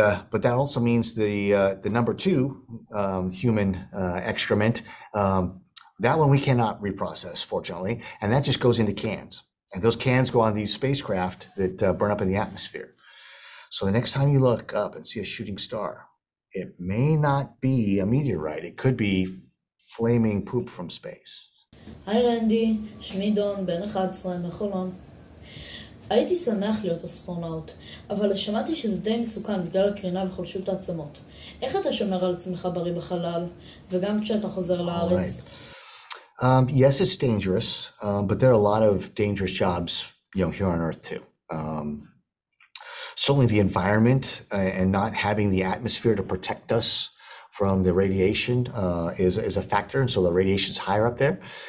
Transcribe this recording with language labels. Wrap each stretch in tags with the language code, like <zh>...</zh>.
<en>But that also means the number two human excrement, that one we cannot reprocess, fortunately, and that just goes into cans. And those cans go on these spacecraft that burn up in the atmosphere. So the next time you look up and see a shooting star, it may not be a meteorite. It could be flaming poop from space.</en> <he>היי רנדי, שמי דון, בן 11 מחולון. הייתי שמח להיות אסטרונאוט, אבל שמעתי שזה די מסוכן בגלל הקרינה וחולשות העצמות. איך אתה שומר על עצמך בריא בחלל, וגם כשאתה חוזר לארץ?</he> <en>Yes, it's dangerous, but there are a lot of dangerous jobs, you know, here on Earth too. Certainly the environment and not having the atmosphere to protect us from the radiation is a factor, and so the radiation is higher up there.</en>